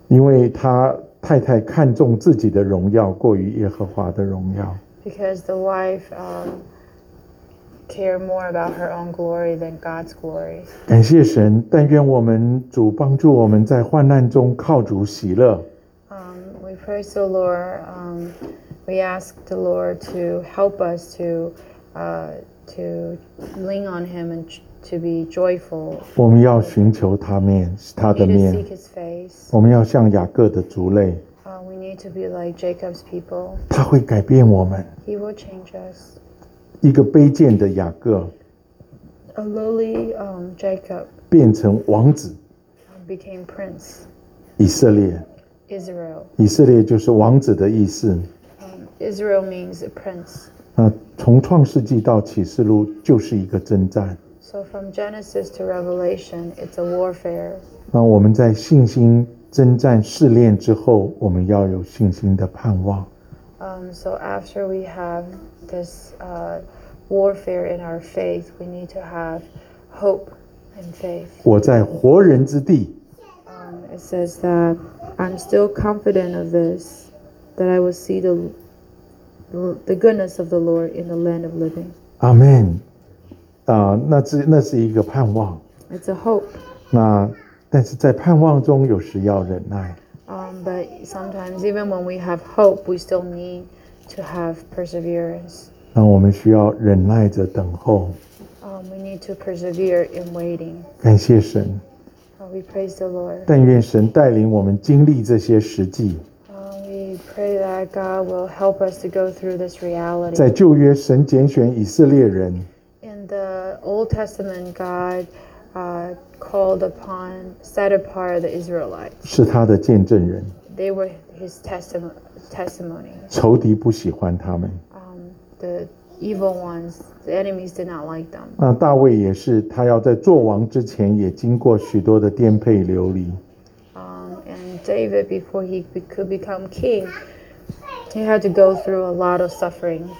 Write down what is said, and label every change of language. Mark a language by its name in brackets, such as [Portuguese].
[Chinese] 因为他太太看重自己的荣耀过于耶和华的荣耀。 [English] Because the wife cared more about her own glory than God's glory. [Chinese] 感谢神，但愿我们主帮助我们在患难中靠主喜乐。 [English] We praise the Lord. We ask the Lord to help us to. To lean on him and to be joyful. [Chinese] 我们要寻求他面，他的面。 [English] We need to seek his face. [Chinese] 我们要像雅各的族类。 [English] We need to be like Jacob's people. [Chinese] 他会改变我们。 [English] He will change us. [Chinese] 一个卑贱的雅各。 [English] A lowly Jacob. [Chinese] 变成王子。 [English] Became prince. [Chinese] 以色列。 [English] Israel. [Chinese] 以色列就是王子的意思。 [English] Israel means a prince. [Chinese] 从创世纪到启示录就是一个征战。 [English] So from Genesis to Revelation, it's a warfare. [Chinese] 当我们在信心征战试炼之后，我们要有信心的盼望。 [English] So after we have this warfare in our faith, we need to have hope and faith. [Chinese] 我在活人之地。 [English] It says that I'm still confident of this, that I will see the goodness of the Lord in the land of living. [Chinese] Amen. 那是一个盼望。 [English] It's a hope. [Chinese] 那但是在盼望中有时要忍耐。 [English] But sometimes even when we have hope, we still need to have perseverance. [Chinese] 那我们需要忍耐着等候。 [English] We need to persevere in waiting. [Chinese] 感谢神。 [English] We praise the Lord. [Chinese] 但愿神带领我们经历这些实际。 [English] We pray that God will help us to go through this reality. [Chinese] 在旧约，神拣选以色列人。 [English] In the Old Testament, God, called upon, set apart the Israelites. [Chinese] 是他的见证人。 [English] They were his testimony. [Chinese] 仇敌不喜欢他们。 [English] The evil ones, the enemies did not like them. [Chinese] 那大卫也是，他要在做王之前，也经过许多的颠沛流离。 [English] David, before he could become king, he had to go through a lot of suffering.